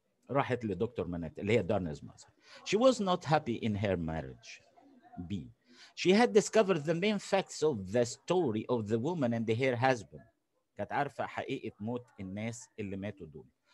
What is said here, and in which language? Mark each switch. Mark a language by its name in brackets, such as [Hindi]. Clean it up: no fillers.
[Arabic] راحت لدكتور مانيت اللي هي دارنز [English] Mother. She was not happy in her marriage. B. She had discovered the main facts of the story of the woman and her husband. [Arabic] كانت عارفة حقيقة موت الناس اللي ماتوا دول.